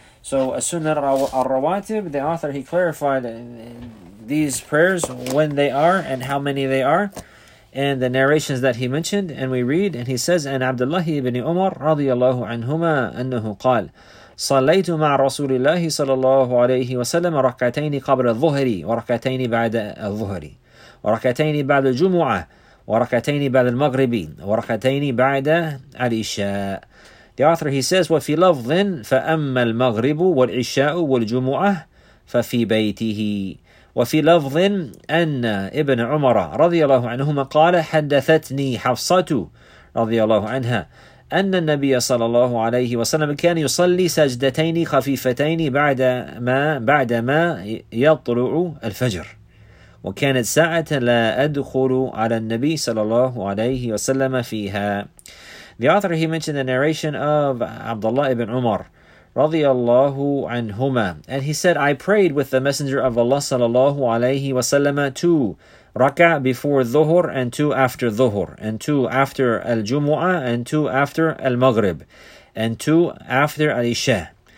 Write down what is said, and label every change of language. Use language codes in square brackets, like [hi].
[en] So, a sunnah al-rawatib, the author, he clarified these prayers, when they are and how many they are, and the narrations that he mentioned, and we read, and he says, and Abdullah ibn Umar [ar] radiyallahu anhuma annahu qal, صليتُ مع رسول الله صلى الله عليه وسلم ركعتين قبل الظهر وركعتين بعد الظهر وركعتين بعد الجمعة وركعتين بعد المغرب وركعتين بعد العشاء. [en] The author, he says, [ar] وفي لفظ فأما المغرب والعشاء والجمعة ففي بيته. وفي لفظ أن ابن عمر رضي الله عنهما قال حدثتني حفصة رضي الله عنها أن النبي صلى الله عليه وسلم كان يصلي سجدتين خفيفتين بعدما يطلع الفجر وكانت ساعة لا أدخل على النبي صلى الله عليه وسلم فيها. [en] The author, he mentioned the narration of Abdullah ibn Umar [ar] رضي الله عنهما, [en] and he said, I prayed with the Messenger of Allah [ar] صلى الله عليه وسلم [en] too. Raka before Dhuhr and two after Dhuhr and two after Al-Jumu'ah and two after Al-Maghrib and two after Al-Isha.